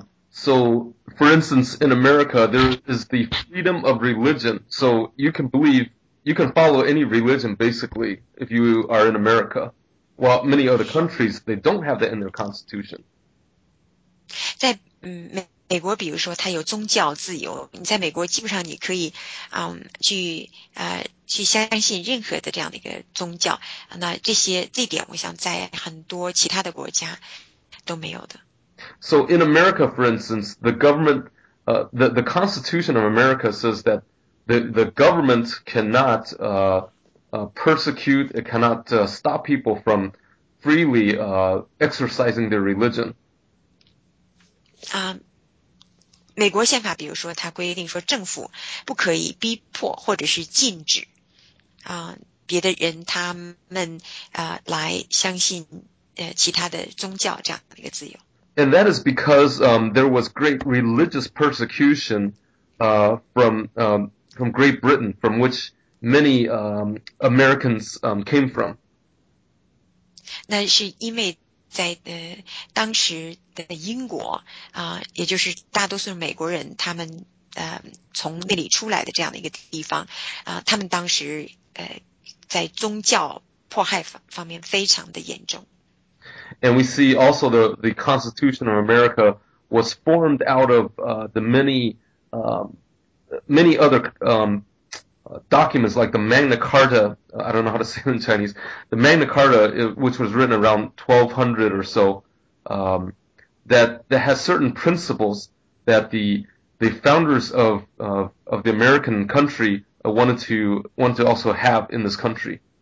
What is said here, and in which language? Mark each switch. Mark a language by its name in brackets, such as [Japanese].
[English] So, for instance, in America, there is the freedom of religion. So you can believe, you can follow any religion, basically, if you are in America. While many other countries, they don't have that in their constitution. [Chinese] 在美国，比如说，它有宗教自由。你在美国，基本上你可以，去相信任何的这样的一个宗教。那这点，我想在很多其他的国家都没有的。 [English] So in America, for instance, the government, the Constitution of America says that the government cannot persecute, it cannot stop people from freely exercising their religion. [Chinese] 美国宪法，比如说，它规定说，政府不可以逼迫或者是禁止别的人他们来相信其他的宗教这样的一个自由。 [English] And that is because there was great religious persecution from Great Britain, from which many Americans came from. [Chinese] 那是因为在当时的英国也就是大多数美国人，他们从那里出来的这样的一个地方他们当时在宗教迫害方面非常的严重。 [English] And we see also the Constitution of America was formed out of the many other documents like the Magna Carta. I don't know how to say it in Chinese. The Magna Carta, which was written around 1200 or so, that has certain principles that the founders of the American country wanted to also have in this country.